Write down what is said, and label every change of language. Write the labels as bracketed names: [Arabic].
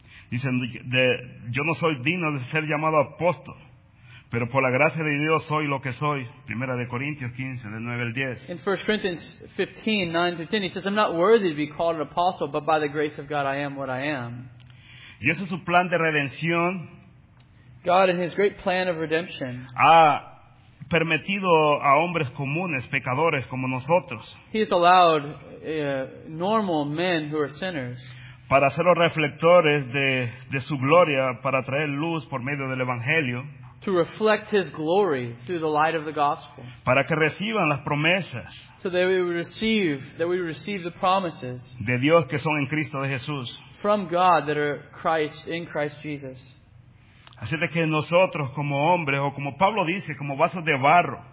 [Spanish] Diciendo, yo no soy digno de ser llamado apóstol. Pero por la gracia de Dios soy lo que soy. Primera de Corintios 15, del 9 al 10. [English] In 1 Corinthians 15, 9 to 10, he says, I'm not worthy to be called an apostle, but by the grace of God I am what I am. [Spanish] Y ese es su plan de redención. [English] God, in his great plan of redemption, [Spanish] ha permitido a hombres comunes, pecadores como nosotros. [English] He has allowed normal men who are sinners. [Spanish] Para ser los reflectores de su gloria, para traer luz por medio del Evangelio. [English] To reflect his glory through the light of the gospel. [Spanish] Para que reciban las promesas. [English] So that we would receive, the promises. [Spanish] De Dios que son en Cristo de Jesús. [English] From God that are Christ, in Christ Jesus. [Spanish] Así de que nosotros como hombres, o como Pablo dice, como vasos de barro.